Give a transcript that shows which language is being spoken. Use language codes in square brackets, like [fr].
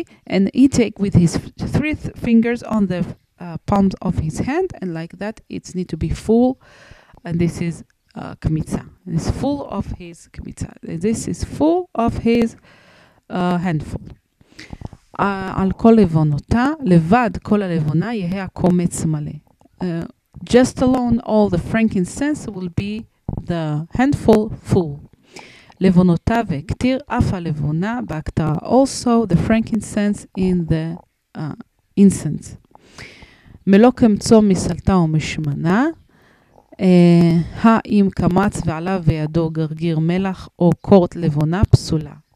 [en] And he take with his three fingers on the palms of his hand, and like that it need to be full, and this is kmitza. It's full of his kmitza. This is full of his handful. [he] על כל לבונותה, לבד כל הלבונה יהיה הקומץ מלא. [en] Just alone all the frankincense will be the handful full. [he] לבונותה והקטיר אף הלבונה בהקטרה, [en] also the frankincense in the incense. [he] מלוא קמצו מסלטה ומשמנה, האם קמץ ועליו וידו גרגיר מלח או קורט לבונה פסולה.